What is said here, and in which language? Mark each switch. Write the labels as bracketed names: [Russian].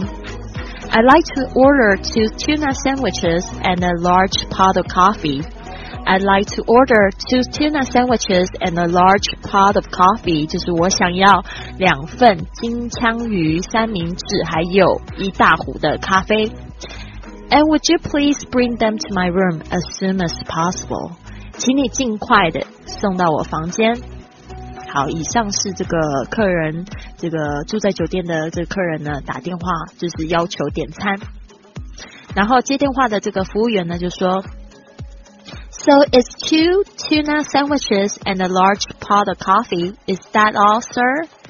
[English] I'd like to order 2 tuna sandwiches and a large pot of coffee. I'd like to order 2 tuna sandwiches and a large pot of coffee. [Chinese] 就是我想要两份金枪鱼三明治还有一大壶的咖啡。 [English] And would you please bring them to my room as soon as possible? [Chinese] 请你尽快的送到我房间。好，以上是这个客人，这个住在酒店的这个客人呢打电话就是要求点餐，然后接电话的这个服务员呢就说 [English] So it's 2 tuna sandwiches and a large pot of coffee, is that all sir?